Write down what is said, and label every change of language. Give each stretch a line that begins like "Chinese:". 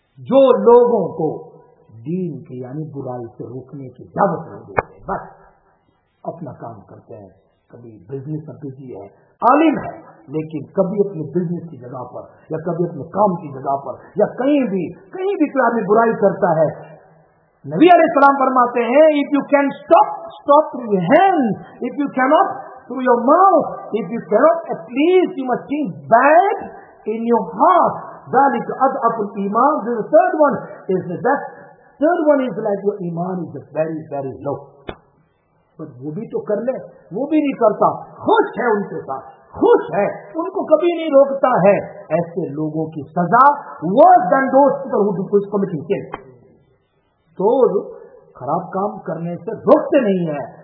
Urdu: جو لوگوں کو دین کے یعنی برائی سے روکنے کی دعوت نہیں دیتے, بس اپنا کام کرتے ہیں, کبھی بزنس میں بزی ہے, عالم ہے, لیکن کبھی اپنے بزنس کی جگہ پر یا کبھی اپنے کام کی جگہ پر یا کہیں بھی کوئی آدمی برائی کرتا ہے, نبی علیہ السلام فرماتے ہیں,
English: if you can stop, stop through your hands, if you cannot, through your mouth, if you cannot, at least you must think bad in your heart.
Arabic: ذلك اضعف الايمان.
English: This is the third one, is the best. Third one is like your iman is very very low.
Urdu: But وہ بھی تو کر لے, وہ بھی نہیں کرتا, خوش ہے ان کے ساتھ, خوش ہے, ان کو کبھی نہیں روکتا ہے. ایسے لوگوں کی سزا
English: worse than those people who do this committing sin.
Urdu: تو خراب کام کرنے سے روکتے نہیں ہیں.